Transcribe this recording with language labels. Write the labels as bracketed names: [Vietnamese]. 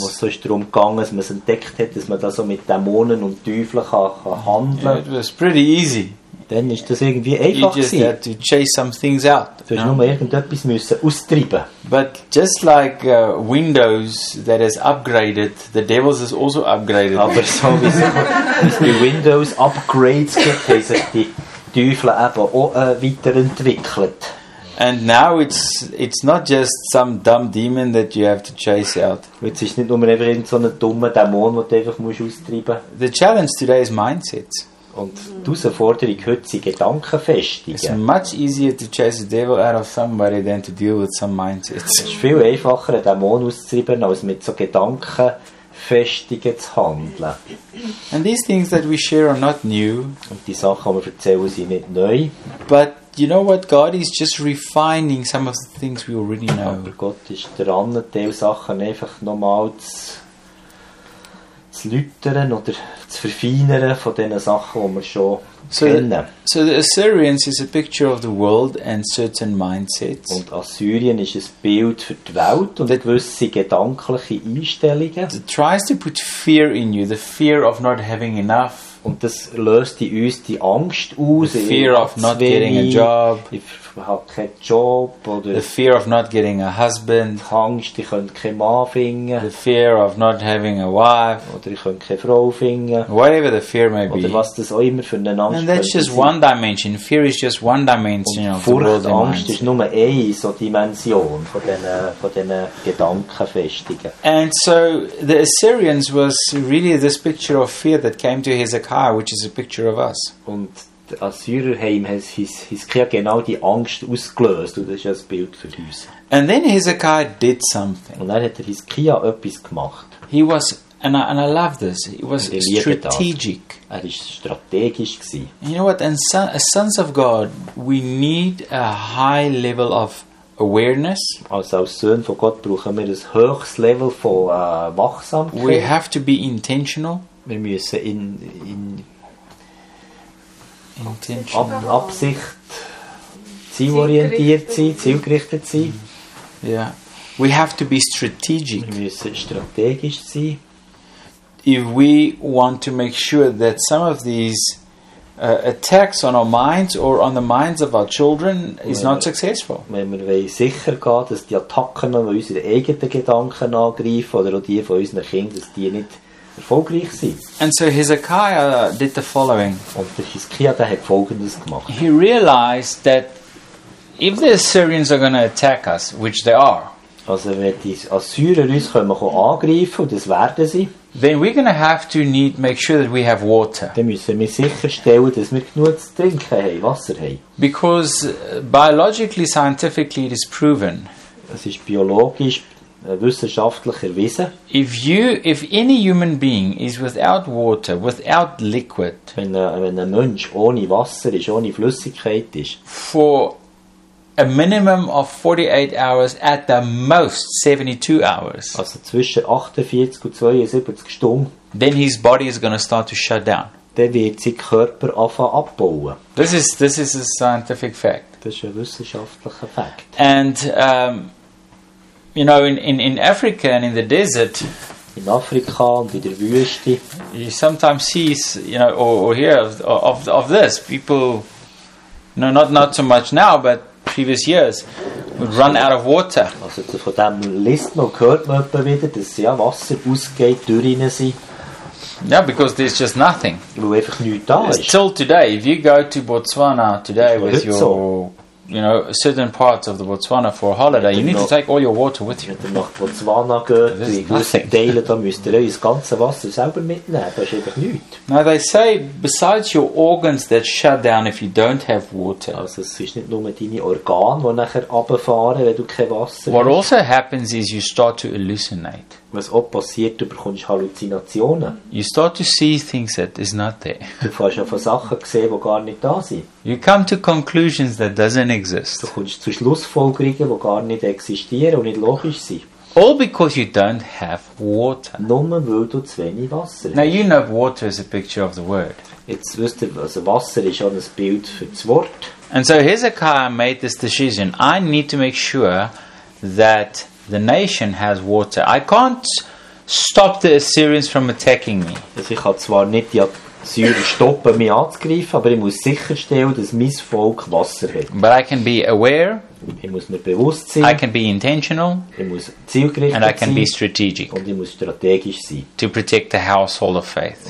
[German] was so drum gegangen, dass man es entdeckt hat, dass man da so mit Dämonen und Teufeln kann handeln. [English] It was pretty easy. [German] Dann ist das irgendwie einfach. [English] You just had to chase some things out. [German] Du hast nur irgendetwas müssen austreiben. [English] But just like Windows that has upgraded, the devils has also upgraded. [German] Aber so wie die Windows upgrades gibt, haben die Teufel eben auch weiterentwickelt. [English] And now it's not just some dumb demon that you have to chase out. [German] Jetzt ist nicht nur irgendein so ein dummer Dämon, den du einfach austreiben musst. [English] The challenge today is mindsets. [German] Und die Herausforderung heute sind Gedankenfestigen. [English] It's much easier to chase the devil out of somebody than to deal with some mindsets. [German] Es ist viel einfacher, einen Dämon auszutreiben, als mit so Gedankenfestigen zu handeln. [English] And these things that we share are not new. [German] Und die Sachen, die wir erzählen, sind nicht neu. [English] But you know what? God is just refining some of the things we already know. [German] Aber Gott ist dran, Teil Sachen einfach nochmal zu läutern oder zu verfeinern von den Sachen, die wir schon kennen. [English] So the Assyrians is a picture of the world and certain mindsets. [German] Und Assyrien ist ein Bild für die Welt und gewisse gedankliche Einstellungen. [English] It tries to put fear in you, the fear of not having enough. [German] Und das löst in uns die Angst aus. [English] The fear of not getting a job. [German] Ich habe keinen Job. Oder [English] the fear of not getting a husband. [German] Die Angst, ich könnte keinen Mann finden. [English] The fear of not having a wife. [German] Oder ich könnte keine Frau finden. [English] Whatever the fear may be. [German] Oder was das auch immer für eine Angst ist. [English] And that's just one dimension. Fear is just one dimension. [German] Und Furcht, Angst ist nur eine so Dimension von diesen Gedankenfestigen. [English] And so the Assyrians was really this picture of fear that came to his car, which is a picture of us. [German] Und Assyrer haben his genau die Angst ausgelöst, und das ist ja das Bild für uns. [English] And then Hezekiah did something. [German] Und dann hat er Hezekiah etwas gemacht. [English] He was, and I love this, he was strategic. [German] Er ist strategisch gewesen. [English] You know what, and sons of God, we need a high level of awareness. [German] Also als Söhne von Gott brauchen wir ein höchstes Level von Wachsamkeit. [English] We have to be intentional. [German] Wir müssen in Absicht zielorientiert sein, zielgerichtet sein. [English] Yeah. We have to be strategic. [German] Wir müssen strategisch sein. [English] If we want to make sure that some of these attacks on our minds or on the minds of our children is not successful. [German] Wenn wir sicher gehen, dass die Attacken an unsere eigenen Gedanken angreifen oder auch die von unseren Kindern, dass die nicht erfolgreich sind. [English] And so Hezekiah did the following. [German] Und Hezekiah hat Folgendes gemacht. [English] He realized that if the Assyrians are going to attack us, which they are, [German] also wenn die Assyrer uns kommen angreifen, das werden sie, [English] then we're going to have to need make sure that we have water. [German] Dann müssen wir sicherstellen, dass wir genug zu trinken haben, Wasser haben. [English] Because biologically, scientifically, it is proven. [German] Es ist biologisch wissenschaftlich erwiesen. [English] If any human being is without water, without liquid, [German] wenn ein Mensch ohne Wasser ist, ohne Flüssigkeit ist, [English] for a minimum of 48 hours, at the most 72 hours, [German] also zwischen 48 und 72 Stunden, [English] then his body is going to start to shut down. [German] Dann wird sein Körper anfangen abbauen. [English] This is a scientific fact. [German] Das ist ein wissenschaftlicher Fakt. [English] And you know, in Africa and in the desert, [German] in Afrika und in der Wüste, [English] you sometimes see, you know, or hear of this. People, you know, not so much now, but previous years, would run out of water. [German] Also von dem liest man, hört man wieder, dass ja Wasser ausgeht, Dürren sind. [English] Yeah, because there's just nothing. Till today, if you go to Botswana today with your, you know, certain parts of the Botswana for a holiday, you need to take all your water with you. [German] Wenn du nach Botswana gehst, teilen, dann müsst ihr das ganze Wasser selber mitnehmen. Das ist einfach nichts. [English] Now they say, besides your organs that shut down if you don't have water. [German] Also es ist nicht nur deine Organe, die nachher runterfahren, wenn du kein Wasser hast. [English] What also happens is you start to hallucinate. [German] Was auch passiert, du bekommst Halluzinationen. [English] You start to see things that is not there. [German] Du fährst auf Sachen gesehen, die gar nicht da sind. [English] You come to conclusions that doesn't exist. [German] Du kommst zu Schlussfolgerungen, die gar nicht existieren und nicht logisch sind. [English] All because you don't have water. [German] Nur weil du zu wenig Wasser hast. [English] Now you know water is a picture of the word. [German] Jetzt wisst ihr, also Wasser ist auch ein Bild für das Wort. [English] And so Hezekiah made this decision. I need to make sure that the nation has water. I can't stop the Assyrians from attacking me. [German] Also ich kann zwar nicht die Assyrer stoppen, mich anzugreifen, aber ich muss sicherstellen, dass mein Volk Wasser hat. [English] But I can be aware. [German] Ich muss mir bewusst sein. [English] I can be intentional. [German] Ich muss zielgerichtet [English] and I can be strategic. [German] Und ich muss strategisch sein. [English] To protect the household of faith.